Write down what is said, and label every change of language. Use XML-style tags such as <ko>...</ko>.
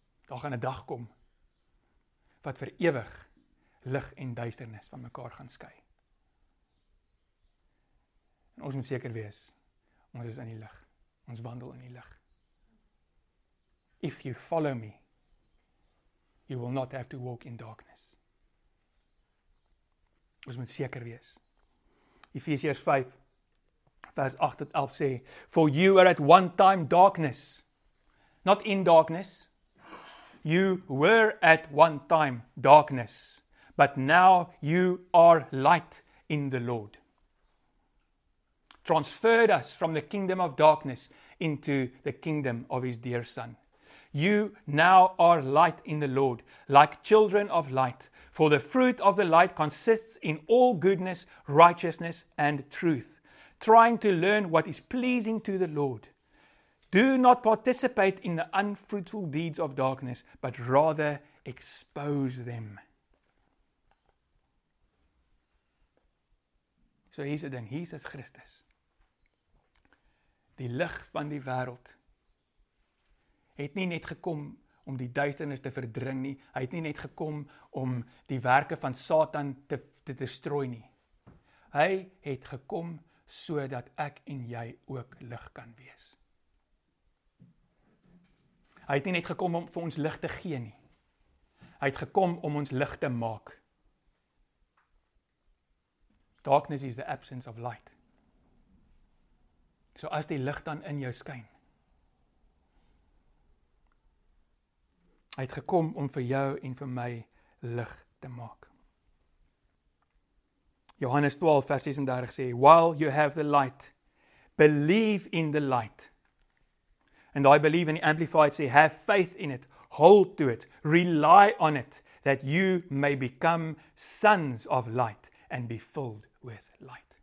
<af>Daar gaan 'n dag kom, wat vir ewig lig en duisternis van mekaar gaan skei. En ons moet seker wees, Ons is in die lig. Ons wandel in die lig.</af> <en>If you follow me, you will not have to walk in darkness.</en> <af>Ons moet seker wees. Efesiërs 5 vers 8 tot 11 sê,</af> <en>for you were at one time darkness, not in darkness. You were at one time darkness, but now you are light in the Lord. Transferred us from the kingdom of darkness into the kingdom of his dear son. You now are light in the Lord, like children of light, for the fruit of the light consists in all goodness, righteousness, and truth, trying to learn what is pleasing to the Lord. Do not participate in the unfruitful deeds of darkness, but rather expose them. So here's the thing,</en> <af>Jesus Christus, die lig van die wêreld, het nie net gekom om die duisternis te verdring nie, hy het nie net gekom om die werke van Satan te destrooi nie. Hy het gekom sodat ek en jy ook lig kan wees. Hy het nie net gekom om vir ons lig te gee nie. Hy het gekom om ons lig te maak.</af> <en>Darkness is the absence of light.</en> <af>So as die lig dan in jou skyn. Hy het gekom om vir jou en vir my lig te maak. Johannes 12 vers 36 sê,</af> <en>while you have the light, believe in the light. And I believe in the Amplified say, have faith in it, hold to it, rely on it, that you may become sons of light and be filled with light.</en>